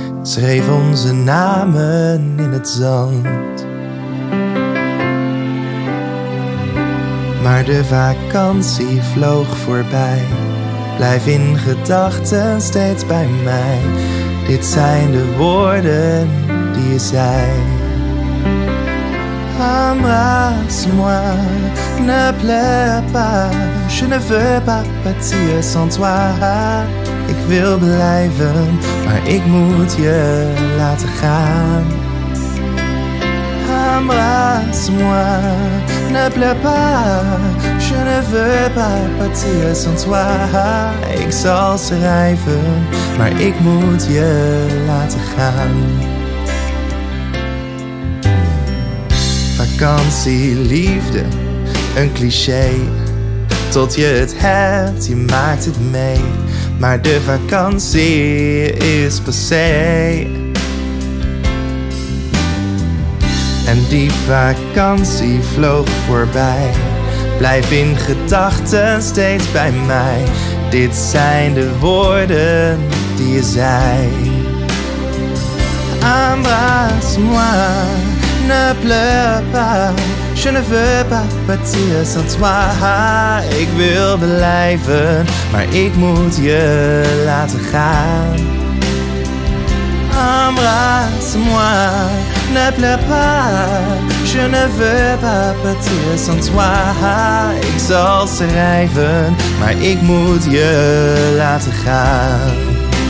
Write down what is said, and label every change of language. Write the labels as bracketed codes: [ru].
[nl] Schreef onze namen in het zand. Maar de vakantie vloog voorbij. Blijf in gedachten steeds bij mij. Dit zijn de woorden die je zei. [fr] Embrasse-moi, ne pleure pas. Je ne veux pas partir sans toi. [nl] Ik wil blijven, maar ik moet je laten gaan. [fr] Embrasse-moi, ne pleure pas. Je ne veux pas partir sans toi. [nl] Ik zal schrijven, maar ik moet je laten gaan. Vakantie, liefde, een cliché. Tot je het hebt, je maakt het mee. Maar de vakantie is passé. En die vakantie vloog voorbij. Blijf in gedachten steeds bij mij. Dit zijn de woorden die je zei. [fr] Embrasse-moi, ne pleure pas. Je ne veux pas partir sans toi. [nl] Ik wil blijven, maar ik moet je laten gaan. [fr] Embrasse-moi, ne pleure pas. Je ne veux pas partir sans toi. [nl] Ik zal schrijven, maar ik moet je laten gaan.